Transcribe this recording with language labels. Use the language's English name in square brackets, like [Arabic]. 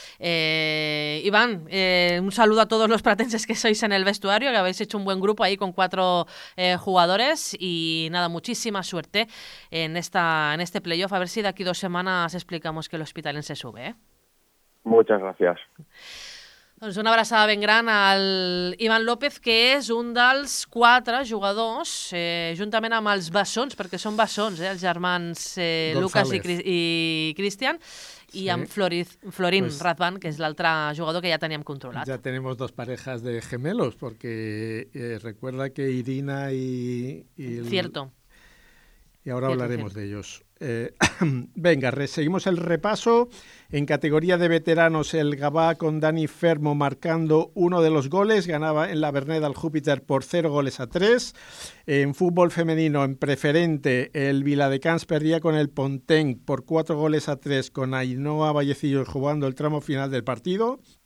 [Spanish] Iván, un saludo a todos los pratenses que sois en el vestuario, que habéis hecho un buen grupo ahí con 4 jugadores. Y nada, muchísima suerte en este playoff. A ver si de aquí 2 semanas explicamos que el hospitalense sube. Muchas gracias. [Catalan] Doncs una abraçada ben gran al Ivan López, que és un dels 4 jugadors, juntament amb els Bessons, perquè són Bessons, els germans Lucas i Cristian, sí. I amb Florín pues, Razvan, que és l'altre jugador que ja teníem controlat. Ja tenim 2 [Spanish] parejas de gemelos, [Catalan] perquè [Spanish] recuerda [Catalan] que Irina i [Spanish] el... Cierto. Y ahora hablaremos de ellos. Venga, seguimos el repaso. En categoría de veteranos, el Gabá con Dani Fermo marcando uno de los goles. Ganaba en la Verneda al Júpiter por 0-3. En fútbol femenino, en preferente, el Viladecans perdía con el Ponteng por 4-3 con Ainhoa Vallecillos jugando el tramo final del partido.